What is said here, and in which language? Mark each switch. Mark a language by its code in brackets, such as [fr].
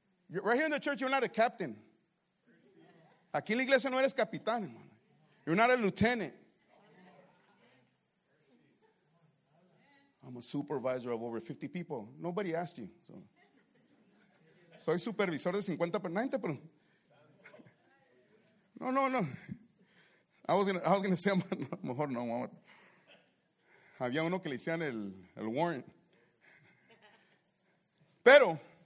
[en] Right here in the church, you're not a captain. [es] Aquí en la iglesia no eres capitán, hermano. [en] You're not a lieutenant. I'm a supervisor of over 50 people. Nobody asked you. So. [es] Soy supervisor de 50 personas. [en] No, no, no. I was gonna say, [es] mejor no. Había uno que le hacían el warrant. Pero...